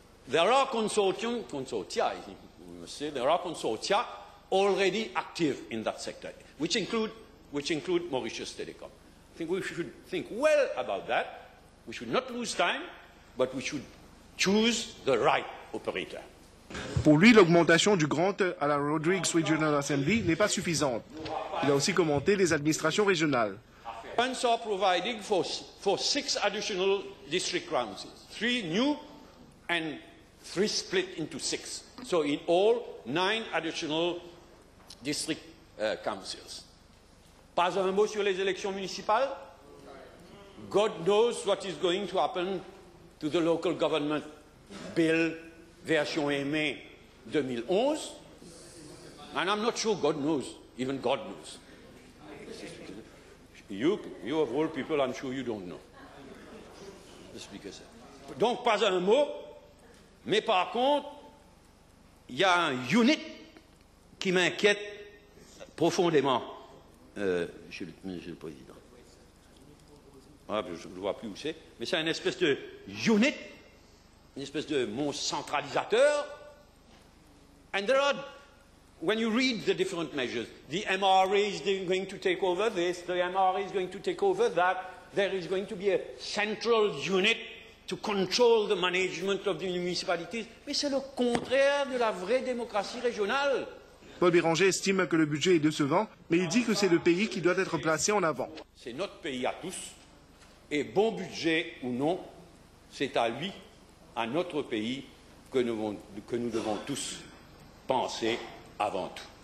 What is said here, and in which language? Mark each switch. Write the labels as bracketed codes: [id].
[en] There are consortia already active in that sector, which include which include Mauritius Telecom. I think we should think well about that. We should not lose time, but we should choose the right operator. [fr] Pour lui, l'augmentation du grant à la Rodrigues Regional Assembly n'est pas suffisante. Il a aussi commenté les administrations régionales. [en] Funds are providing for six additional district councils, three new and three split into six. So in all, nine additional district councils. [fr] Pas un mot sur les élections municipales? [en] God knows what is going to happen to the local government bill version aimée 2011. And I'm not sure God knows, even God knows. You of all people, I'm sure you don't know. Just because. [fr] Donc, pas un mot, mais par contre, il y a un unit qui m'inquiète profondément, monsieur le Président. Ah, je ne vois plus où c'est, mais c'est une espèce de unit, une espèce de mon centralisateur. [en] And there are, when you read the different measures, the MRA is going to take over this, the MRA is going to take over that, there is going to be a central unit to control the management of the municipalities. [fr] Mais c'est le contraire de la vraie démocratie régionale. Paul Béranger estime que le budget est décevant, mais il dit que c'est le pays qui doit être placé en avant. C'est notre pays à tous, et bon budget ou non, c'est à lui, à notre pays, que nous devons tous penser avant tout.